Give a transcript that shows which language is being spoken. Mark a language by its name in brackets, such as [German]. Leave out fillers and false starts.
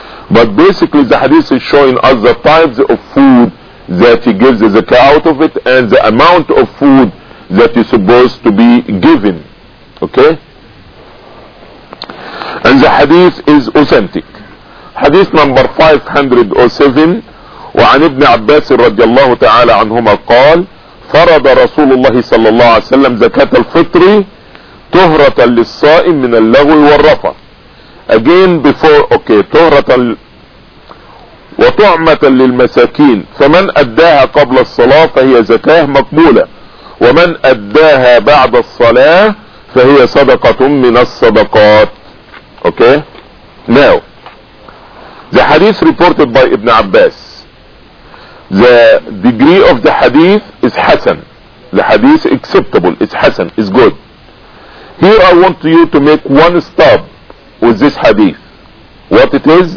[English] But basically the hadith is showing us the types of food that he gives the zakah out of it and the amount of food that is supposed to be given. Okay? And the hadith is authentic. Hadith number 507. [Arabic] وعن ابن عباس رضي الله تعالى عنهما قال فرض رسول الله صلى الله عليه وسلم زكاة الفطر طهرة للصائم من اللغو والرفث. [English] Again before, okay, [Arabic] طهرة وطعمة للمساكين. فمن أداها قبل الصلاة فهي زكاة مقبولة. ومن أداها بعد الصلاة فهي صدقة من الصدقات. Okay. [English] Now, the hadith reported by Ibn Abbas. The degree of the hadith is Hasan. The hadith acceptable. It's Hasan. It's good. Here I want you to make one stop with this hadith. What it is?